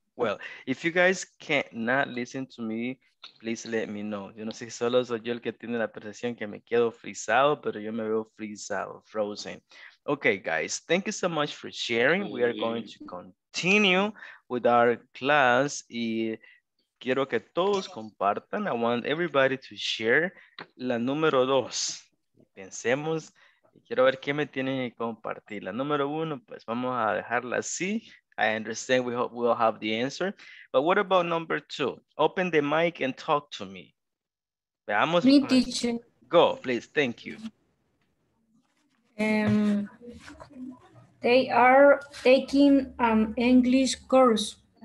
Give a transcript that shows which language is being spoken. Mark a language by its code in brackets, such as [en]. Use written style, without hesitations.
[en] Well, if you guys cannot listen to me, please let me know. [es] Yo no sé si solo soy yo el que tiene la percepción que me quedo frisado, pero yo me veo frisado, frozen. [en] Okay, guys, thank you so much for sharing. We are going to continue with our class. [es] Y quiero que todos compartan. [en] I want everybody to share [es] la número dos. Pensemos, quiero ver qué me tienen que compartir. La número uno, pues vamos a dejarla así. [en] I understand we hope we'll have the answer. But what about number two? Open the mic and talk to me. [es] Veamos. [en] Me, teacher. Go, please. Thank you. They are taking an English course.